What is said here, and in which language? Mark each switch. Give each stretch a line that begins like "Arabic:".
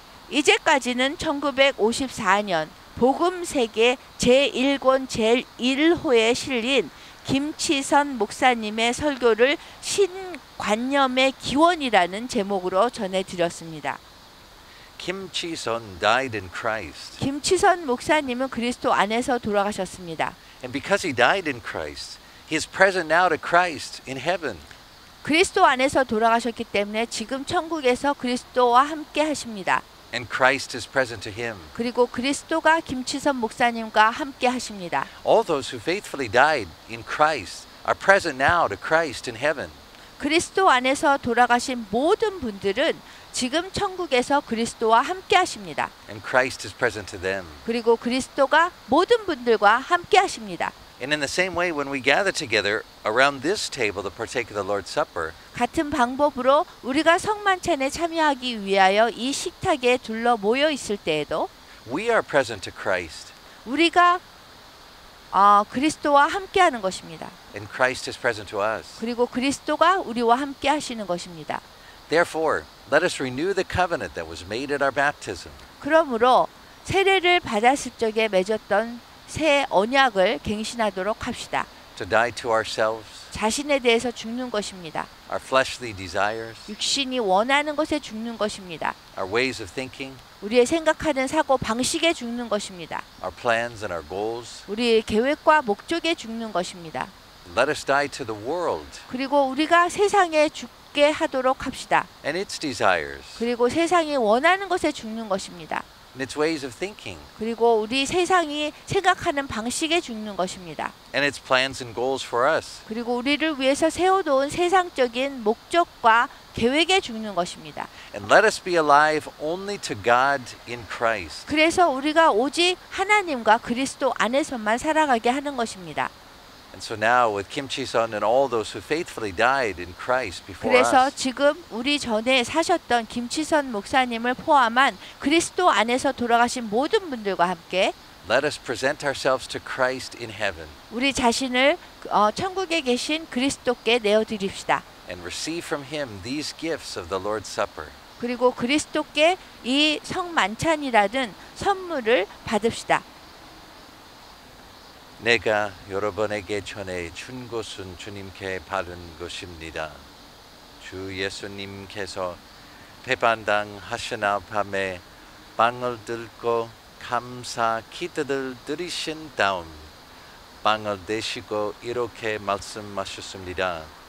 Korean: 이제까지는 1954년 복음세계 제1권 제1호에 실린 김치선 목사님의 설교를 신관념의 기원이라는 제목으로 전해드렸습니다.
English: Kim Chi-sun died in Christ.
Korean: 김치선 목사님은 그리스도 안에서 돌아가셨습니다.
English: And because he died in Christ, he is present now to Christ in heaven.
Korean: 그리스도 안에서 돌아가셨기 때문에 지금 천국에서 그리스도와 함께 하십니다.
English: And Christ is present to him.
Korean: 그리고 그리스도가 김치선 목사님과 함께 하십니다.
English: All those who faithfully died in Christ are present now to Christ in heaven.
Korean: 그리스도 안에서 돌아가신 모든 분들은 지금 천국에서 그리스도와 함께 하십니다.
English: And Christ is present to them.
Korean: 그리고 그리스도가 모든 분들과 함께 하십니다.
English: And in the same way when we gather together around this table to partake of the Lord's Supper.
Korean: 같은 방법으로 우리가 성만찬에 참여하기 위하여 이 식탁에 둘러 모여 있을 때에도
English: we are present to Christ.
Korean: 우리가 그리스도와 함께 하는 것입니다.
English: And Christ is present to us.
Korean: 그리고 그리스도가 우리와 함께 하시는 것입니다.
English: Therefore, let us renew the covenant that was made at our baptism.
Korean: 그러므로 세례를 받았을 적에 맺었던 새 언약을 갱신하도록 합시다.
English: To die to ourselves.
Korean: 자신에 대해서 죽는 것입니다.
English: Our fleshly desires.
Korean: 육신이 원하는 것에 죽는 것입니다.
English: Our ways of thinking.
Korean: 우리의 생각하는 사고 방식에 죽는 것입니다.
English: Our plans and our goals.
Korean: 우리의 계획과 목적에 죽는 것입니다.
English: Let us die to the world.
Korean: 그리고 우리가 세상에 죽게 하도록 합시다.
English: And its desires.
Korean: 그리고 세상이 원하는 것에 죽는 것입니다.
English: And its ways of thinking.
Korean: 그리고 우리 세상이 생각하는 방식에 죽는 것입니다.
English: And its plans and goals for us.
Korean: 그리고 우리를 위해서 세워놓은 세상적인 목적과 계획에 죽는 것입니다.
English: And let us be alive only to God in Christ.
Korean: 그래서 우리가 오직 하나님과 그리스도 안에서만 살아가게 하는 것입니다.
English: And so now with Kim Chi-sun and all those who faithfully died in Christ before us.
Korean: 그래서 지금 우리 전에 사셨던 김치선 목사님을 포함한 그리스도 안에서 돌아가신 모든 분들과 함께
English: Let us present ourselves to Christ in heaven.
Korean: 우리 자신을 천국에 계신 그리스도께 내어 드립시다.
English: And receive from him these gifts of the Lord's Supper.
Korean: 그리고 그리스도께 이 성만찬이라는 선물을 받읍시다. 내가 여러분에게 전해 준 것은 주님께 바른 것입니다. 주 예수님께서 배반당 하시나 밤에 빵을 들고 감사 기도를 드리신 다음 빵을 드시고 이렇게 말씀하셨습니다.